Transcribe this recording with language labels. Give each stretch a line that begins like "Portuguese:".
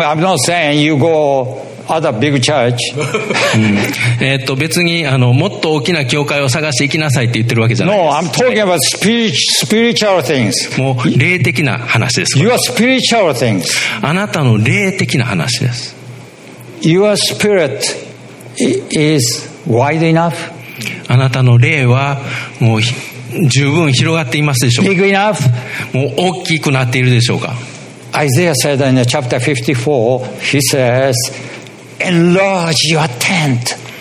English: I'm not saying you go other big church.
Japanese: 別にもっと大きな教会を探して行きなさいって言ってるわけじゃないです。
English: No, I'm talking about spiritual things.
Japanese: もう霊的な話です。
English: Your spiritual things.
Japanese: あなたの霊的な話です。
English: Your spirit is wide enough.
Japanese: あなたの霊はもう十分広がっていますでしょうか。
English: Big enough?
Japanese: もう大きくなっているでしょうか。
English: Isaiah said in chapter 54, he says, enlarge your tent.